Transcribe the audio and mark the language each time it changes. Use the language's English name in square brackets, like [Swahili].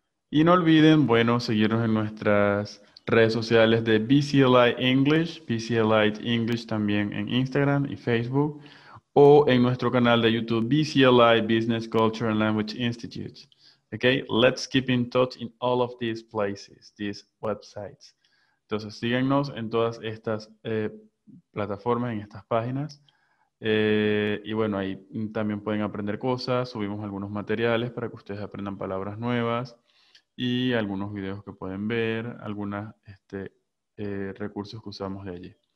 [Spanish] Y no olviden, bueno, seguirnos en nuestras redes sociales de BC Elite English, BC Elite English también en Instagram y Facebook, o en nuestro canal de YouTube BC Elite Business Culture and Language Institute. [English] Okay, let's keep in touch in all of these places, these websites. [Spanish] Entonces, síganos en todas estas plataformas, en estas páginas. Y bueno, ahí también pueden aprender cosas. Subimos algunos materiales para que ustedes aprendan palabras nuevas. Y algunos videos que pueden ver, algunos recursos que usamos de allí.